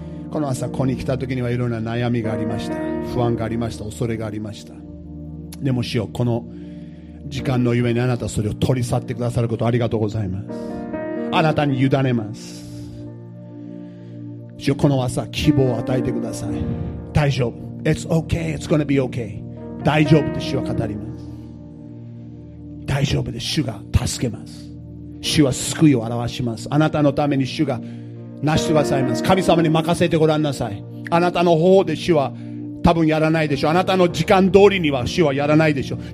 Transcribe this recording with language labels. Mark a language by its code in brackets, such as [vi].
[ja] この朝ここに来た時にはいろんな悩みがありました、不安がありました、恐れがありました。でも主よ、この時間のゆえにあなたそれを取り去ってくださること、ありがとうございます。あなたに委ねます。主よ、この朝希望を与えてください。大丈夫、 [en] It's okay, it's gonna be okay。 [ja] 大丈夫で主は語ります。大丈夫で主が助けます。主は救いを表します。あなたのために主が成してくださいます。神様に任せてごらんなさい。あなたの方法で主は多分やらないでしょう。あなたの時間通りには主はやらないでしょう。